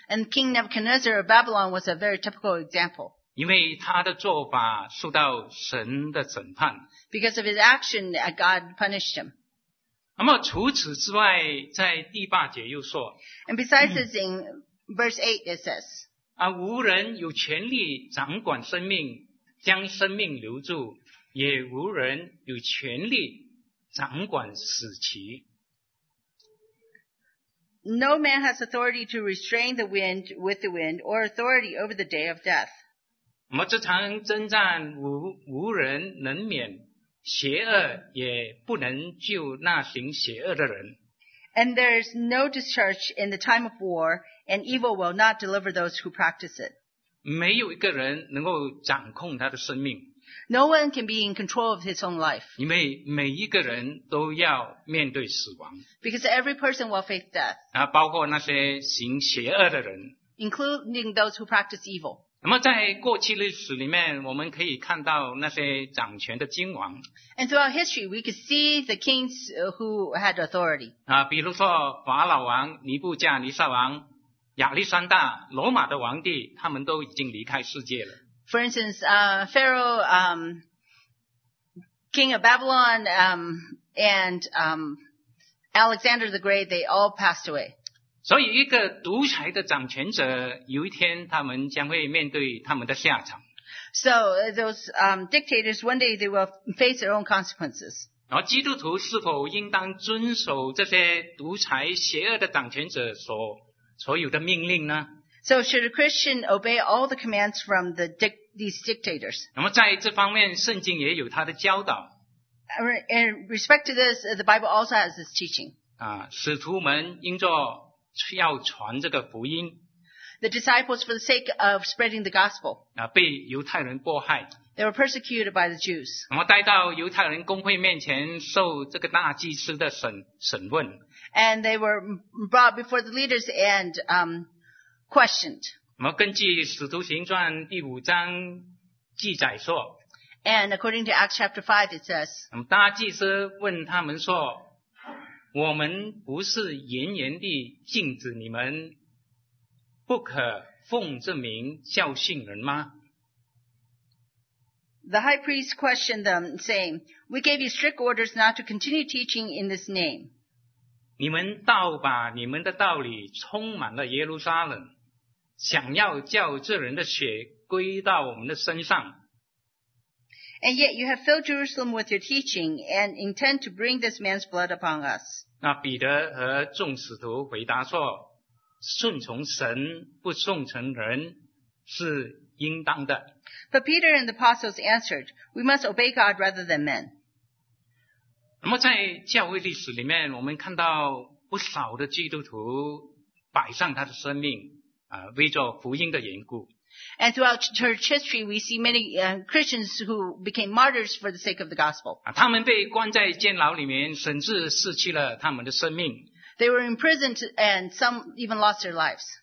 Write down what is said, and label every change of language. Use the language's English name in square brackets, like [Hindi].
[English] And King Nebuchadnezzar of Babylon was a very typical example. [Chinese] 因为他的做法受到神的审判。 [English] Because of his action, God punished him. [Chinese] 那么除此之外, 在第八节又说, [English] and besides this, in verse 8 it says, [Chinese] 无人有权利掌管生命, 将生命留住, 也无人有权利掌管使其。 [English] No man has authority to restrain the wind with the wind or authority over the day of death. [Chinese] 我们经常征战 无人能免，邪恶也不能救那行邪恶的人。 [English] And there is no discharge in the time of war, and evil will not deliver those who practice it. [Chinese] 没有一个人能够掌控他的生命。 [English] No one can be in control of his own life. [Chinese] 因为每一个人都要面对死亡。 [English] Because every person will face death. [Chinese] 包括那些行邪恶的人。 [English] Including those who practice evil. [Chinese] 那么在过去历史里面，我们可以看到那些掌权的君王。 [English] And throughout history, we could see the kings who had authority. [Chinese] 比如说法老王、尼布加尼撒王、亚历山大、罗马的皇帝，他们都已经离开世界了。 [English] For instance, Pharaoh, King of Babylon, and Alexander the Great, they all passed away. [Chinese] 所以一个独裁的掌权者，有一天他们将会面对他们的下场。 [English] So those dictators, one day they will face their own consequences. [Chinese] 然后基督徒是否应当遵守这些独裁邪恶的掌权者所有的命令呢？ [English] So should a Christian obey all the commands from these dictators? [Chinese] 那么在这方面，圣经也有它的教导。 [English] In respect to this, the Bible also has this teaching. [Chinese] 使徒们因着要传这个福音。 [English] The disciples, for the sake of spreading the gospel. [Chinese] 被犹太人迫害。 [English] They were persecuted by the Jews. [Chinese] 那么带到犹太人公会面前受这个大祭司的审问。 [English] And they were brought before the leaders and, questioned. [Chinese] 那么根据《使徒行传》第五章记载说 [English] ，And according to Acts chapter 5 it says， [Chinese] 那么大祭司问他们说，我们不是严严地禁止你们不可奉这名教训人吗 [English] ？The high priest questioned them, saying, "We gave you strict orders not to continue teaching in this name." [Chinese] 你们倒把你们的道理充满了耶路撒冷。想要叫这人的血归到我们的身上。 [English] And yet you have filled Jerusalem with your teaching and intend to bring this man's blood upon us. [Chinese] 那彼得和众使徒回答说，顺从神不顺从人是应当的。 [English] But Peter and the apostles answered, we must obey God rather than men. [Chinese] 那么在教会历史里面，我们看到不少的基督徒摆上他的生命。为着福音的缘故。 [English] And throughout church history, we see many Christians who became martyrs for the sake of the gospel. [Chinese] 他们被关在监牢里面，甚至失去了他们的生命。 [English] They were imprisoned and some even lost their lives.